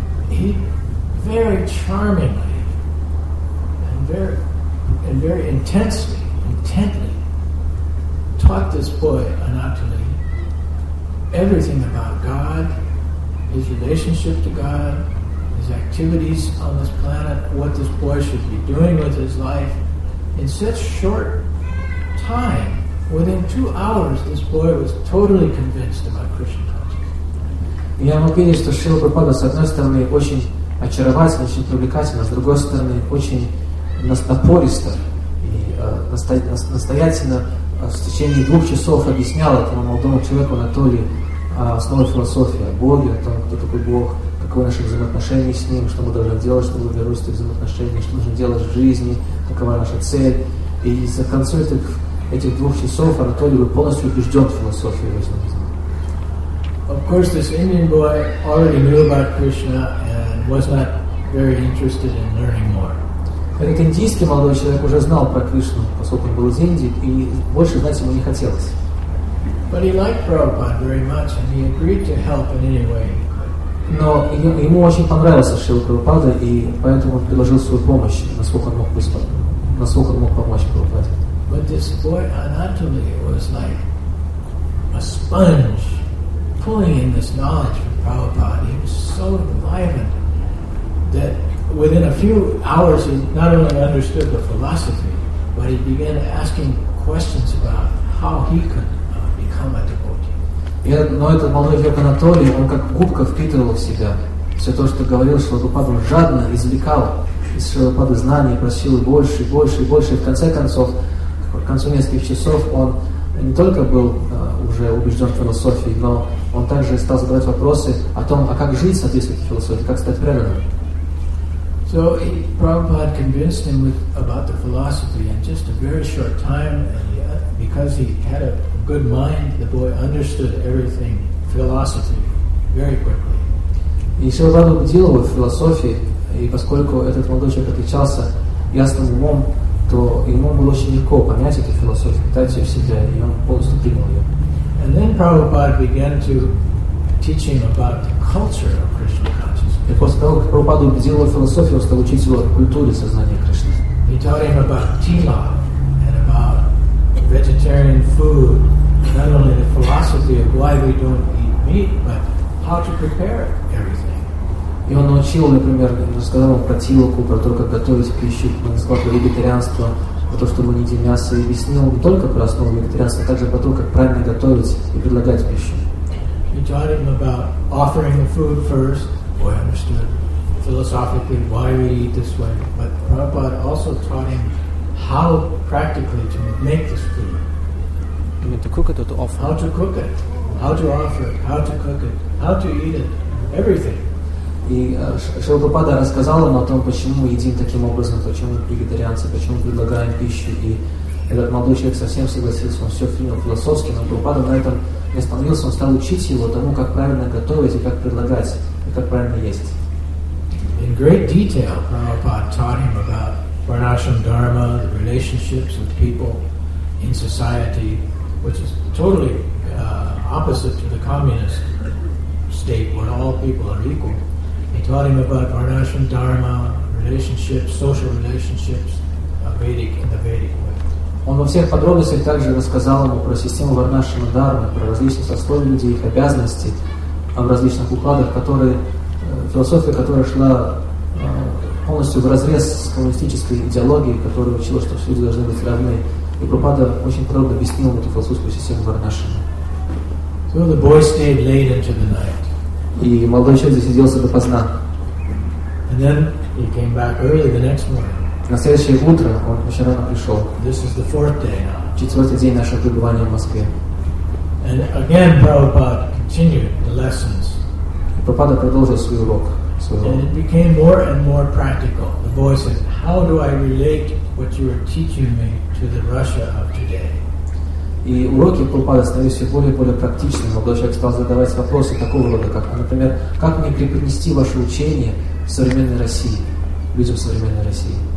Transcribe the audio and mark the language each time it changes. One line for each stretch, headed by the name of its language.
English: He very charmingly and very intently taught this boy Anatoli everything about God, his relationship to God, his activities on this planet, what this boy should be doing with his life. In such short time, within 2 hours, this boy was totally convinced about Krishna.
Russian: Я мог видеть, что Шрила Прабхупада, с одной стороны, очень очаровательно, очень привлекательно, с другой стороны, очень напористо и настоятельно в течение 2 часов объяснял этому молодому человеку Анатолию основы философии о Боге, о том, кто такой Бог, каковы наши взаимоотношения с Ним, что мы должны делать, чтобы вернуть эти взаимоотношения, что нужно делать в жизни, какова наша цель. И за концом этих 2 часов Анатолий был полностью убежден в философии.
English: Of course, this Indian boy already knew about Krishna and was not very interested in learning more.
Russian: Этот индийский молодой человек уже знал про Кришну, поскольку он был из Индии, и больше знать ему не хотелось.
English: But he liked Prabhupada very much, and he agreed to help in any way he could.
Russian: Но ему очень понравился Шрила Прабхупада, и поэтому он предложил свою помощь, насколько он мог помочь Прабхупаде.
English: But this boy Anatoli was like a sponge. Pulling in this knowledge from Prabhupada, he was so enlivened that within a few hours he not only understood the philosophy, but he began asking questions about how he could become a devotee.
Russian: Но этот молодой человек Анатолий, он как губка впитывал в себя все то, что говорил Шрила Прабхупада, он жадно извлекал из Шрила Прабхупады знания, просил больше, больше, больше. В конце концов, к концу нескольких часов он не только был уже убежден в философии, но он также стал задавать вопросы о том, а как жить в соответствии с философией, как стать преданным.
English: So Prabhupada convinced him about the philosophy in just a very short time, and because he had a good mind, the boy understood everything philosophy very quickly.
Russian: И Шрила Прабхупада убедил его в философии, и поскольку этот молодой человек отличался ясным умом, то ему было очень легко понять эту философию, питать ее в себя, и он полностью принял ее.
English: And then Prabhupada began to teach him about the culture of Krishna consciousness.
Russian: И после того, как Прабхупада убедил его в философии, он стал учить его о культуре сознания Кришны.
English: He taught him about tila and about vegetarian food, not only the philosophy of why we don't eat meat, but how to prepare everything.
Russian: И он научил, например, рассказал про тилоку, про то, как готовить пищу, он сказал про вегетарианство, про то, что мы не едим мясо, и объяснил не только про основу вегетарианства, а также про то, как правильно готовить и предлагать пищу.
English: He taught him about offering the food first. Boy understood philosophically why we eat this way. But Prabhupada also taught him how practically to make this food. You mean to cook it or to offer? How to cook it, how to offer it, how to cook it, how to eat it, everything.
Russian: И Шрила Прабхупада рассказал ему о том, почему мы едим таким образом, почему мы вегетарианцы, почему мы предлагаем пищу. И этот молодой человек совсем согласился, он все принял философски, но Прабхупада на этом не остановился, он стал учить его тому, как правильно готовить и как предлагать, и как правильно есть.
English: In great detail, Prabhupada taught him about Varnashram Dharma, the relationships with people in society, which is totally opposite to the communist state where all people are equal. He taught him about Varnashram Dharma, relationships, social relationships, in the Vedic way.
Russian: Он во всех подробностях также рассказал ему про систему варнашрама дхармы, про различные сословия людей, их обязанности в различных укладах, которые, философия, которая шла полностью вразрез с коммунистической идеологией, которая учила, что все люди должны быть равны. И Прабхупада очень подробно объяснил эту философскую систему варнашрама.
English: So the boy stayed late into the night.
Russian: И молодой человек засиделся допоздна.
English: And then he came back early the next morning.
Russian: На следующее утро он еще рано пришел.
English: This is the fourth day now.
Russian: Четвертый день нашего пребывания в Москве.
English: And again, Prabhupada continued the lessons.
Russian: И Прабхупада продолжил свой урок.
English: And it became more and more practical. The boy said, "How do I relate what you are teaching me to the Russia of today?"
Russian: И уроки Прабхупады становились все более и более практичными. Молодой человек стал задавать вопросы такого рода, как, например, как мне преподнести ваше учение в современной России, людям современной России.